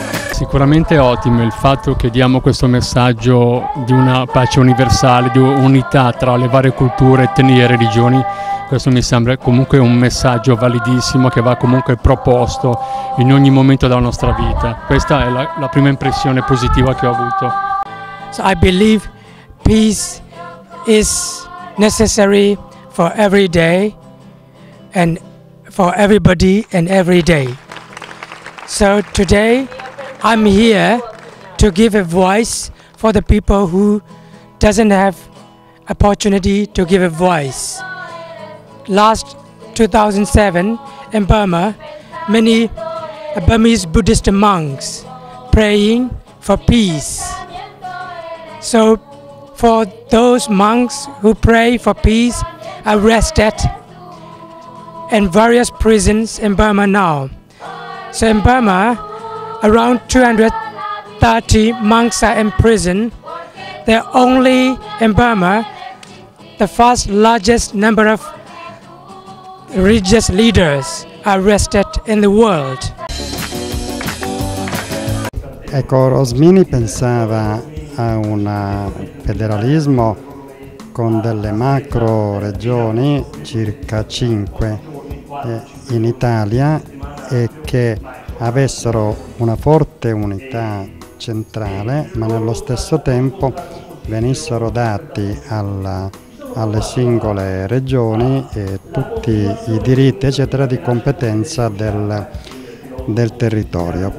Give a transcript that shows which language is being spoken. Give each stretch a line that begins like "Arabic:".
Italian: Sicuramente è ottimo il fatto che diamo questo messaggio di una pace universale, di unità tra le varie culture, etnie e religioni. Questo mi sembra comunque un messaggio validissimo, che va comunque proposto in ogni momento della nostra vita. Questa è la prima impressione positiva che ho avuto.
English: So I believe peace is necessary for every day and for everybody and every day. So today I'm here to give a voice for the people who doesn't have opportunity to give a voice. Last 2007 in Burma, many Burmese Buddhist monks praying for peace. So for those monks who pray for peace, arrested in various prisons in Burma now. So in Burma, around 230 monks are in prison. They're only in Burma, the first largest number of religious leaders arrested in the world.
Italian: Ecco, Rosmini pensava a un federalismo con delle macro regioni, circa 5 in Italia, e che avessero una forte unità centrale, ma nello stesso tempo venissero dati alle singole regioni e tutti i diritti eccetera di competenza del territorio.